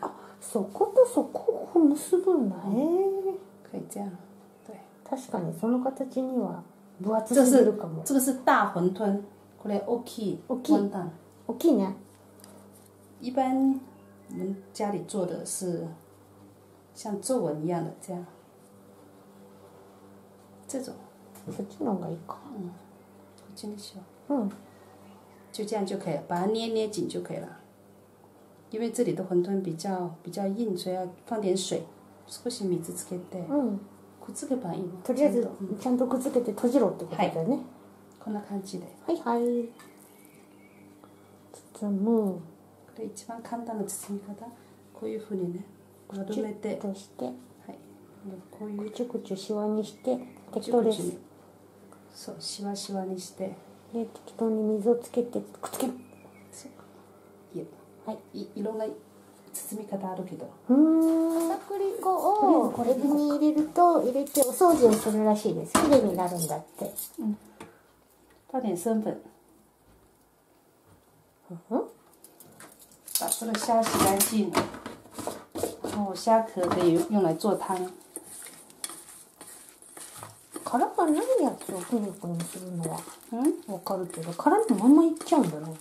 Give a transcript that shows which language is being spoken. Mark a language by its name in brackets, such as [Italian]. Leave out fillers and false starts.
[Japanese] あ、そことそこを結ぶんだ。へえ。 [Chinese] 可以这样。对。 [Japanese] 確かにその形には分厚すぎるかも。 [Chinese] 这个是大馄饨， [Japanese] これ大きい。大きい。 [Chinese] 馄饨。 [Japanese] 大きいね。 [Chinese] 一般我们家里做的是像皱纹一样的这样。这种。 [Japanese] そっちの方がいいか。 [Chinese] 嗯。真的小，嗯，就这样就可以了，把它捏捏紧就可以了。因为这里的馄饨比较硬，所以要放点水。 [Japanese] 少し水つけて，嗯，くっつけばいいの。とりあえずちゃんとくっつけて閉じろってことだね。はい。こんな感じで。はいはい。包む。これ一番簡単な包み方。こういうふうにね、丸めて。出して。はい。こういう。くちゅくちゅシワにして。適当です。そう、シワシワにして、で適当に水をつけてくっつける。そうか、いえ、はい、いろんな包み方あるけど、片栗粉をエビに入れると、入れてお掃除をするらしいです。綺麗になるんだって。 [Chinese] うん、倒点生粉。うん、把这个虾洗干净，然后虾壳可以用来做汤。 [Japanese] 殻がないやつをクルクルするのは、うん、わかるけど、殻のままいっちゃうんだろう。